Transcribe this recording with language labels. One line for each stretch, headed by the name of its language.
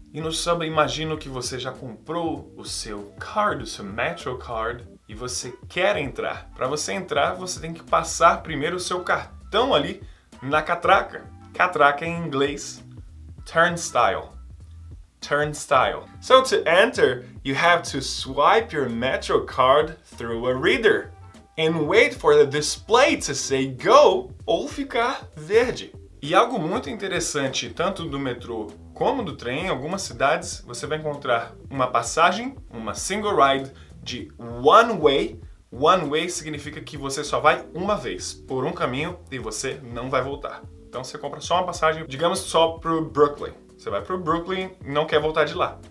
Portuguese: E no subway, imagino que você já comprou o seu card, o seu metro card, e você quer entrar. Para você entrar, você tem que passar primeiro o seu cartão ali na catraca. Catraca em inglês, turnstile.
English: Turnstile. So to enter, you have to swipe your metro card through a reader and wait for the display to say go
Portuguese: ou ficar verde. E algo muito interessante, tanto do metrô como do trem, em algumas cidades, você vai encontrar uma passagem, uma single ride, de one way significa que você só vai uma vez por um caminho e você não vai voltar. Então você compra só uma passagem, digamos só pro Brooklyn. Você vai pro Brooklyn e não quer voltar de lá.